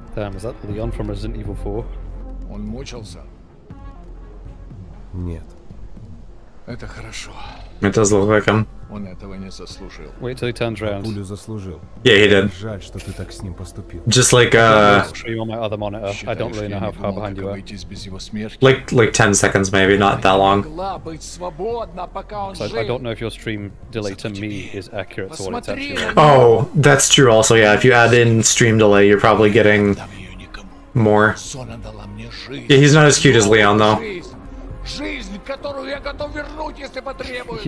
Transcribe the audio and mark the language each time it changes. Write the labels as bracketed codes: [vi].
[en] Damn, is that Leon from Resident Evil 4? [ru] Он мучился? Нет. Это хорошо. Это злоком. Он этого не заслужил. [en] Wait till he turns around. [ru] Пулю заслужил. [en] Yeah, he did. [ru] Жаль, что ты так с ним поступил. [en] Just like stream on my other monitor. I don't really know how far behind you are. Like 10 seconds maybe, not that long. So I don't know if your stream delay to me is accurate to what it's actually. Oh, that's true also, yeah. If you add in stream delay, you're probably getting more. Yeah, he's not as cute as Leon though. [ru] Жизнь, которую я готов вернуть, если потребуется.